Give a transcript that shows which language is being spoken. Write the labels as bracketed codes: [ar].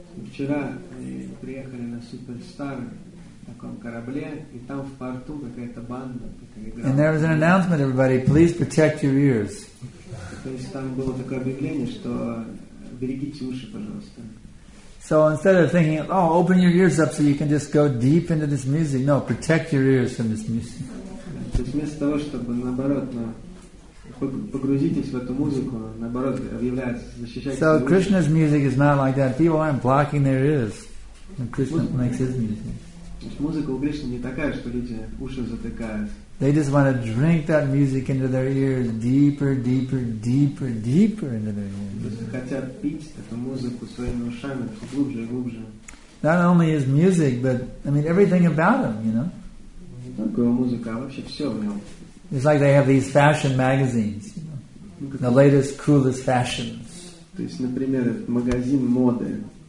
[ru] Вчера приехали на Суперстар на таком корабле, и там в порту какая-то банда играла. [en] And there was an announcement, everybody, please protect your ears. [ru] То есть там было такое объявление, что берегите уши, пожалуйста. [en] So instead of thinking, oh, open your ears up so you can just go deep into this music, no, protect your ears from this music. [ru] То есть вместо того, чтобы наоборот, погрузитесь в эту музыку, наоборот, объявляется, защищайте свои уши. [en] So Krishna's music is not like that. People aren't blocking their ears. And Krishna makes his music. [ru] Музыка у Кришны не такая, что люди уши затыкают. [en] They just want to drink that music into their ears, deeper, deeper, deeper, deeper into their ears. [ru] Хотят пить эту музыку своими ушами все глубже и глубже. [en] Not only his music, but I mean everything about him, you know. [ru] Не только его музыка, а вообще все в нем. [en] It's like they have these fashion magazines, you know, the latest, coolest fashions. [ru] То есть, например, магазин моды.